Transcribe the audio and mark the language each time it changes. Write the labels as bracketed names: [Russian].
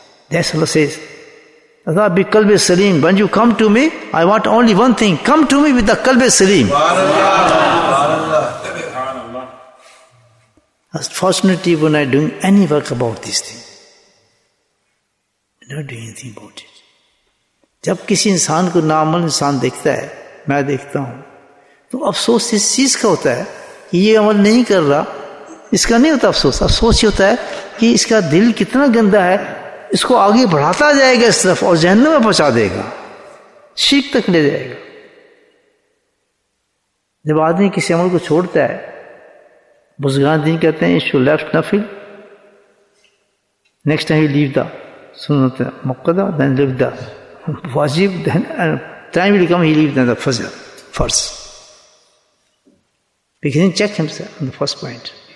[English] That's Allah says, Allah bi kalbi salim. When you come to me, I want only one thing. Come to me with the kalbi salim. Fortunately, we're not doing any work about this thing. We're not doing anything about it. [Urdu] جب کسی انسان کو normal انسان دیکھتا ہے, میں دیکھتا ہوں, تو افسوس اس چیز کا ہوتا ہے کہ یہ عمل نہیں کر رہا. اس کا نہیں ہوتا افسوس. افسوس یہ ہوتا ہے کہ اس کا دل کتنا گندا ہے, اس کو آگے بڑھاتا جائے گا اس طرف اور جہنم میں پہنچا دے گا, شرک تک لے جائے گا. جب آدمی کسی عمل کو چھوڑتا ہے, بزرگان دین کہتے ہیں [English] Issue left نفل next time leave the سنت مقدہ دین لیو دا واجب, then time will come, he leaves then the fajr, first. Because he check himself on the first point.